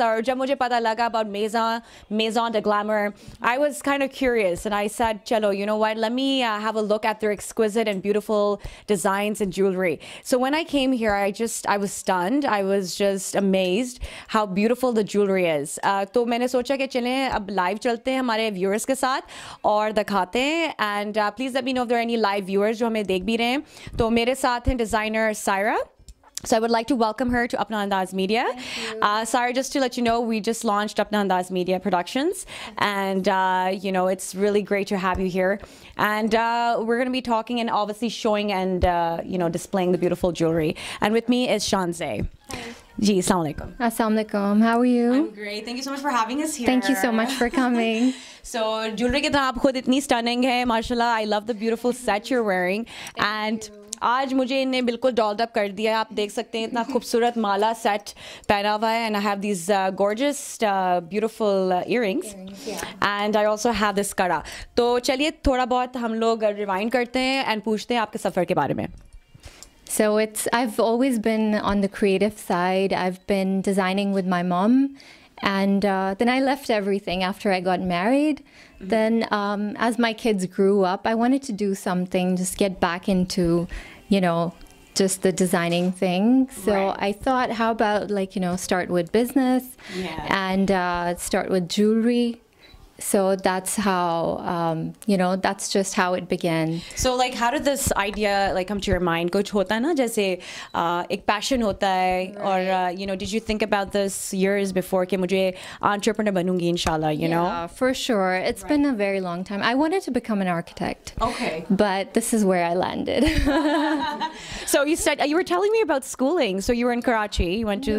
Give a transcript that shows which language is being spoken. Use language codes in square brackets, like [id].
[en] So [ur] جب مجھے پتا لگا [en] about Maison De Glamor, I was kind of curious and I said, چلو, you know what? Let me have a look at their exquisite and beautiful designs and jewelry. So when I came here, I was stunned. I was just amazed how beautiful the jewelry is. [ur] تو میں نے سوچا کے چلیں اب live چلتے ہیں ہمارے viewers کے ساتھ اور دکھاتے ہیں۔ [en] And please let me know if there are any live viewers [ur] جو ہمیں دیکھ بھی رہے ہیں۔ تو میرے ساتھ ہیں designer Saira. [en] So I would like to welcome her to Apna Andaz Media. Saira, just to let you know, we just launched Apna Andaz Media Productions. And, you know, it's really great to have you here. And we're going to be talking and obviously showing and, you know, displaying the beautiful jewelry. And with me is Shanze. Hi. [ur] جی، السلام علیکم۔ [en] Assalamu alaikum. How are you? I'm great. Thank you so much for having us here. Thank you so much for coming. [ur] So, jewelry کے طرح آپ خود اتنی stunning ہے۔ [en] Mashallah, I love the beautiful set you're wearing. [ur] آج مجھے انے بالکل dolled up کر دیا ہے۔ آپ دیکھ سکتے ہیں اتنا خوبصورت مالا سیٹ پہنا ہوا ہے۔ [en] And I have these gorgeous, beautiful earrings. And I also have this kara. [ur] تو چلیے تھوڑا بہت ہم لوگ rewind کرتے ہیں and پوچھتے ہیں آپکے سفر کے بارے میں۔ [en] So I've always been on the creative side. I've been designing with my mom. And then I left everything after I got married. Mm-hmm. Then as my kids grew up, I wanted to do something, just get back into, you know, just the designing thing. So right. I thought, how about like, you know, start with business and start with jewelry. So that's how, you know, that's just how it began. So like, how did this idea like come to your mind? [ur] کچھ ہوتا نا، جیسے ایک پیشن ہوتا ہے۔ [en] Or, you know, did you think about this years before [ur] ke mujhe entrepreneur banungi inshallah, [en] you know? Yeah, for sure. It's been a very long time. I wanted to become an architect. Okay. But this is where I landed. So you said, you were telling me about schooling. So you were in Karachi. You went to...